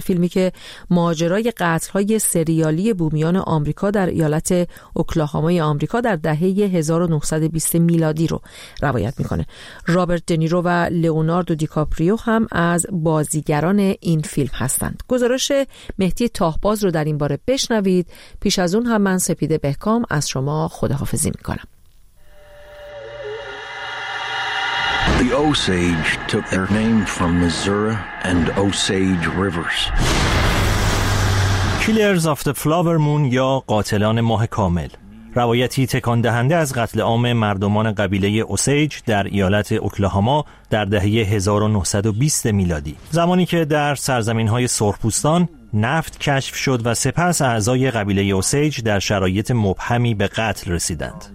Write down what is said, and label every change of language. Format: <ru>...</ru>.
<fa>فیلمی که ماجرای قتل‌های سریالی بومیان آمریکا در ایالت اوکلاهامای آمریکا در دهه 1920 میلادی رو روایت می‌کنه. رابرت دنیرو و لئوناردو دیکاپریو هم از بازیگران این فیلم هستند. گزارش مهدی طاهباز رو در این باره بشنوید. پیش از اون هم من سپیده بهکام از شما خداحافظی میکنم.</fa> <en>The Osage took their name from Missouri and Osage Rivers.</en> <fa>Killers of the Flower Moon یا قاتلان ماه کامل، روایتی تکان دهنده از قتل عام مردمان قبیله اوسیج در ایالت اوکلاهاما در دهه 1920 میلادی، زمانی که در سرزمین‌های سرخپوستان نفت کشف شد و سپس اعضای قبیله اوسیج در شرایط مبهمی به قتل رسیدند.</fa>